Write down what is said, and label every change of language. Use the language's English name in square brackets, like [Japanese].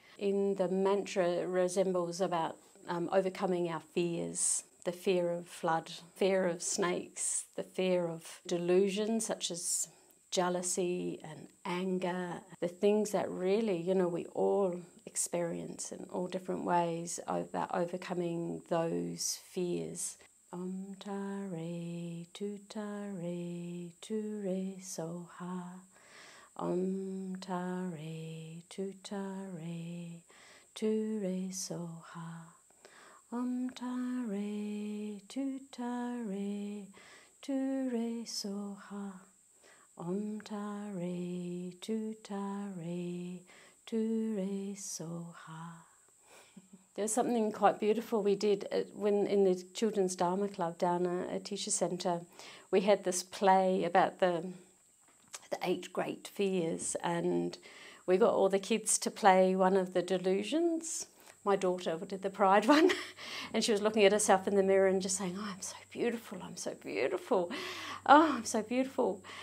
[English] In the mantra, it resembles about overcoming our fears, the fear of flood, fear of snakes, the fear of delusions such as jealousy and anger, the things that really, you know, we all experience in all different ways, about overcoming those fears. [Sanskrit] Om Tare Tu Tare Tu Re Soha. Om Tare Tu Tare Tu Re Soha. Om Tare Tu Tare Tu Re Soha. Om Tare Tu Tare Tu Re Soha. [English] There's something quite beautiful we did when in the Children's Dharma Club down at a teacher centre. We had this play about the eight great fears, and we got all the kids to play one of the delusions. My daughter did the pride one, and she was looking at herself in the mirror and just saying, oh, I'm so beautiful, I'm so beautiful, oh, I'm so beautiful.